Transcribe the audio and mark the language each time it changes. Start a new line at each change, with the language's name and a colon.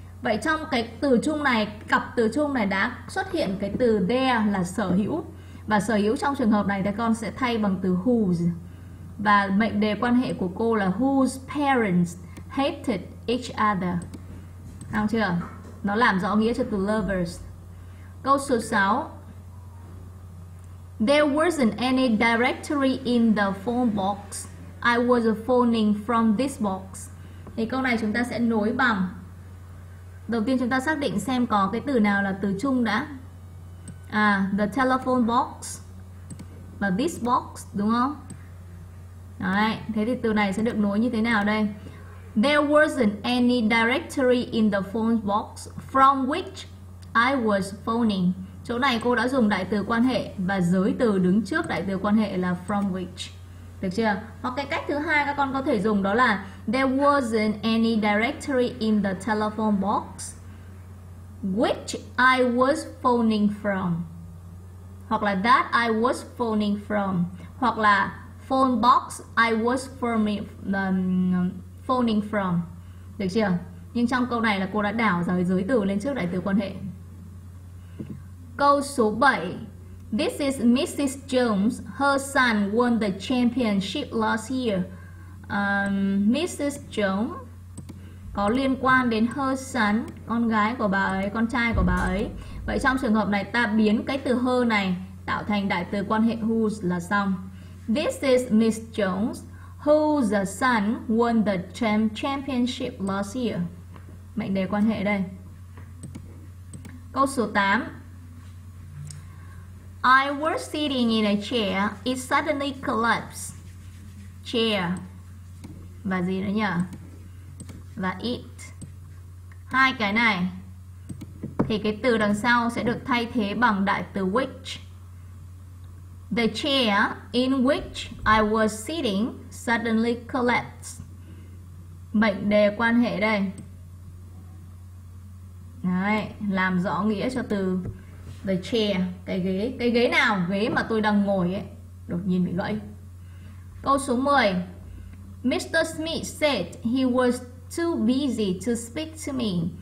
Vietnamese: Vậy trong cái từ chung này, cặp từ chung này đã xuất hiện cái từ their là sở hữu. Và sở hữu trong trường hợp này thì con sẽ thay bằng từ whose. Và mệnh đề quan hệ của cô là
English: whose parents hated each other.
Vietnamese: Không chưa? Nó làm rõ nghĩa cho từ lovers. Câu số 6.
English: There wasn't any directory in the phone box. I was phoning from this box.
Vietnamese: Thì câu này chúng ta sẽ nối bằng. Đầu tiên chúng ta xác định xem có cái từ nào là từ chung đã.
English: À, the telephone box và this box,
Vietnamese: đúng không? Đấy, thế thì từ này sẽ được nối như thế nào đây?
English: There wasn't any directory in the phone box from which I was phoning.
Vietnamese: Chỗ này cô đã dùng đại từ quan hệ và giới từ đứng trước đại từ quan hệ là
English: from which.
Vietnamese: Được chưa? Hoặc cái cách thứ hai các con có thể dùng đó là
English: there wasn't any directory in the telephone box which I was phoning from.
Vietnamese: Hoặc là
English: that I was phoning from. Hoặc là phone box I was phoning from.
Vietnamese: Được chưa? Nhưng trong câu này là cô đã đảo giới từ lên trước đại từ quan hệ. Câu số 7.
English: This is Mrs. Jones. Her son won the championship last year. Mrs.
Vietnamese: Jones có liên quan đến
English: her son,
Vietnamese: con gái của bà ấy, con trai của bà ấy. Vậy trong trường hợp này ta biến cái từ her này tạo thành đại từ quan hệ whose là xong.
English: This is Miss Jones whose son won the championship last year.
Vietnamese: Mệnh đề quan hệ đây. Câu số 8.
English: I was sitting in a chair. It suddenly collapsed. Chair.
Vietnamese: Và gì nữa nhỉ? Và
English: it.
Vietnamese: Hai cái này thì cái từ đằng sau sẽ được thay thế bằng đại từ which.
English: The chair in which I was sitting suddenly collapsed.
Vietnamese: Mệnh đề quan hệ đây. Đấy, làm rõ nghĩa cho từ the chair, cái ghế. Cái ghế nào? Ghế mà tôi đang ngồi ấy. Đột nhiên bị gãy. Câu số 10. Mr.
English: Smith said he was too busy to speak to me.